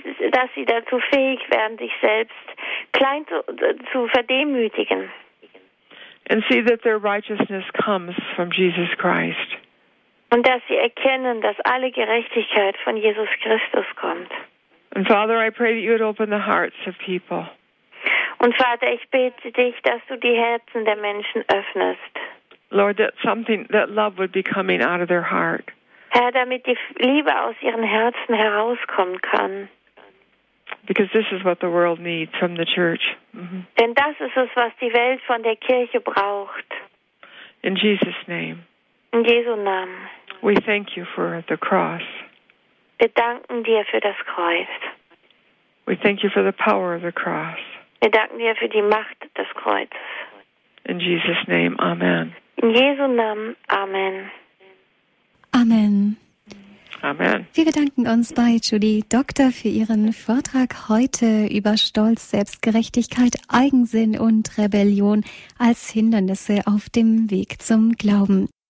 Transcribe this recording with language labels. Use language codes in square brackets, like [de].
[de] Dass sie dazu fähig werden, sich selbst klein zu verdemütigen. [en] And see that their righteousness comes from Jesus Christ. [de] Und dass sie erkennen, dass alle Gerechtigkeit von Jesus Christus kommt. [en] And Father, I pray that you would open the hearts of people. [de] Und Vater, ich bete dich, dass du die Herzen der Menschen öffnest. [en] Lord, that something, that love would be coming out of their heart. [de] Herr, damit die Liebe aus ihren Herzen herauskommen kann. [en] Because this is what the world needs from the church. Mm-hmm. [de] Denn das ist es, was die Welt von der Kirche braucht. [en] In Jesus' name. [de] In Jesu Namen. [en] We thank you for the cross. [de] Wir danken dir für das Kreuz. [en] We thank you for the power of the cross. [de] Wir danken dir für die Macht des Kreuzes. [en] In Jesus' name, Amen. [de] In Jesu Namen, Amen. Amen. Amen. Wir bedanken uns bei Judy Doktor für ihren Vortrag heute über Stolz, Selbstgerechtigkeit, Eigensinn und Rebellion als Hindernisse auf dem Weg zum Glauben.